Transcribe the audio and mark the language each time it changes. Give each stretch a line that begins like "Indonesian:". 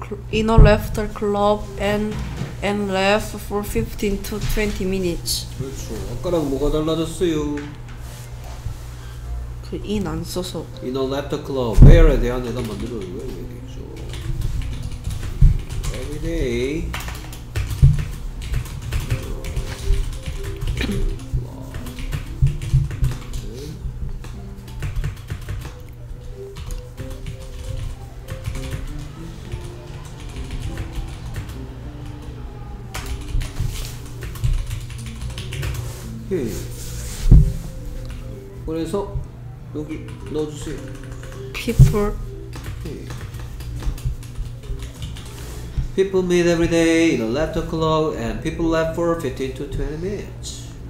English: In a laughter club and laugh for 15 to 20 minutes.
Korean: 그렇죠. 아까랑 뭐가 달라졌어요? 그 in 안 써서.
English: In a laughter club,
Korean: where에 대한 대답 만들어요. 왜 얘기했죠?
English: Every day. Okay.
Korean: 그래서 여기 넣어주세요.
English: People. Okay. People meet every day in a laughter club, and people laugh for 15 to 20 minutes.